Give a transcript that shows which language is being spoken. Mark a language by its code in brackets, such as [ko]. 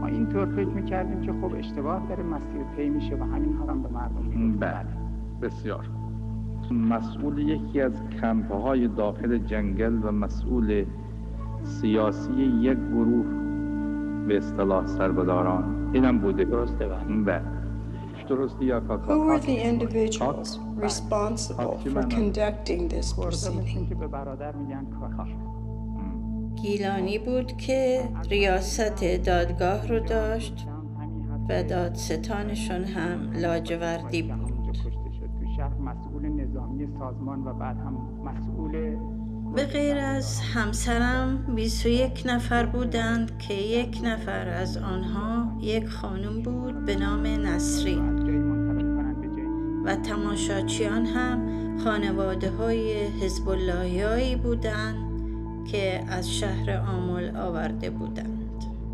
[fa] ما اینطور فکر میکردیم که خب اشتباه داره مسیر پی میشه و همین حالم به مردم میگفت. بله، بسیار. مسئول یکی از کمپ‌های داخل جنگل و مسئول سیاسی یک گروه به اصطلاح سربداران، اینم بوده. درسته و بله، درسته. یا کاکا، [en] Who were the individuals responsible for conducting this proceeding؟ [fa] که به برادر میگن کاکا. گیلانی بود که ریاست دادگاه رو داشت و دادستانشون هم لاجوردی بود. سازمان و بعد هم مسئول. به غیر از همسرم 21 نفر بودند که یک نفر از آنها یک خانم بود به نام نسرین و تماشاچیان هم خانواده های حزب اللهی بودند که از شهر آمل آورده بودند.